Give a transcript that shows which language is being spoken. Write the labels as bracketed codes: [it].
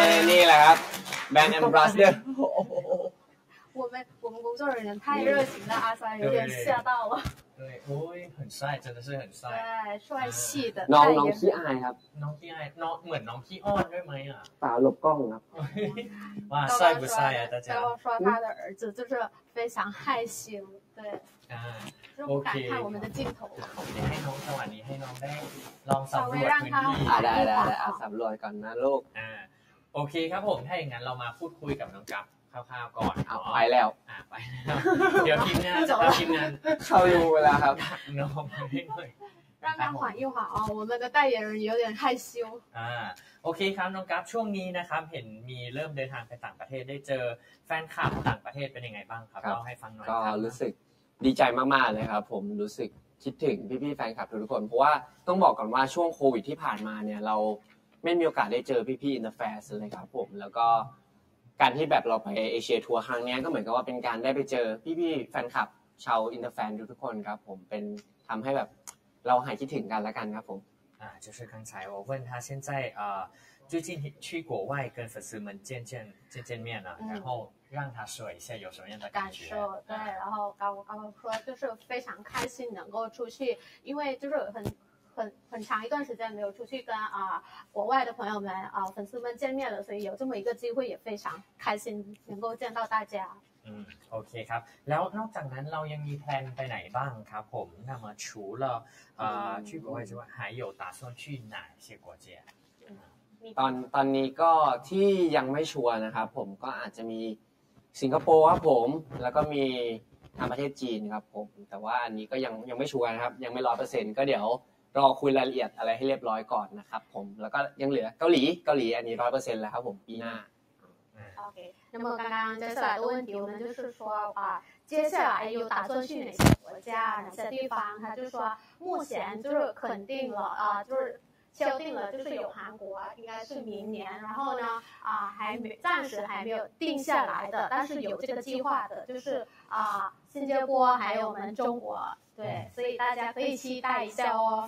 [th] นี่แหละครับแบรนด์แอมบาสเดอร์ [zh] 我们工作人员太热情了阿三有点吓到了对，哦，很帅，真的是很帅。对，帅气的。 [th] น้องขี้อายครับ。 น้องขี้อาย，น้องเหมือนน้องขี้อ้อนด้วยไหมอ่ะ。 ตาหลบกล้องครับ。 [zh] 哇，帅不帅啊，大家。然后说他的儿子就是非常害羞，对。 [th] โอเค ให้ [zh] 我们的镜头 [th] ผมจะให้น้องสวัสดีให้น้องได้ลองสำรวจพื้นที่ได้สำรวจก่อนนะลูก โอเคครับผมถ้าอย่างนั้นเรามาพูดคุยกับน้องกั๊บคร่าวๆก่อน เอาไปแล้ว ไปเดี๋ยวทีมงานเราทีมงาน เข้าดูเวลาครับ น้องไม่เคย [zh] 让他缓一缓哦我们的代言人有点害羞 [th] โอเคครับน้องกั๊บช่วงนี้นะครับเห็นมีเริ่มเดินทางไปต่างประเทศได้เจอแฟนคลับต่างประเทศเป็นยังไงบ้างครับเล่าให้ฟังหน่อย ก็รู้สึกดีใจมากๆเลยครับผมรู้สึกคิดถึงพี่ๆแฟนคลับทุกคนเพราะว่าต้องบอกก่อนว่าช่วงโควิดที่ผ่านมาเนี่ยเราไม่มีโอกาสได้เจอพี่ๆ in the fans เลยครับผมแล้วก็การที่แบบเราไปเอเชียทัวร์ครั้งนี้ก็เหมือนกับว่าเป็นการได้ไปเจอพี่ๆแฟนคลับชาว in the fans ทุกคนครับผมเป็นทําให้แบบเราหายคิดถึงกันแล้วกันครับผม [zh] 就是刚才我问他现在最近去国外跟粉丝们见面了然后让他说一下有什么样的感受对然后刚说就是非常开心能够出去因为就是很长一段时间没有出去跟国外的朋友们粉丝们见面了所以有这么一个机会也非常开心能够见到大家 [th] โอเคครับแล้วนอกจากนั้นเรายังมีแพลนไปไหนบ้างครับผมนำมาชูแล้วชื่อประเทศว่าหายอยู่ [zh] 打算去哪些国家 [th] ตอนนี้ก็ที่ยังไม่ชัวร์นะครับผมก็อาจจะมีสิงคโปร์ครับผมแล้วก็มีทางประเทศจีนครับผมแต่ว่าอันนี้ก็ยังไม่ชัวร์นะครับยังไม่ 100% ก็เดี๋ยวรอคุยรายละเอียดอะไรให้เรียบร้อยก่อนนะครับผมแล้วก็ยังเหลือเกาหลีอันนี้ 100% แล้วครับผมปีหน้า [zh] โอเค那么刚刚接下来的问题我们就是说接下来有打算去哪些国家哪些地方他就说目前就是肯定了就是敲定了就是有韩国应该是明年然后呢还没暂时还没有定下来的但是有这个计划的就是新加坡还有我们中国对，所以大家可以期待一下哦。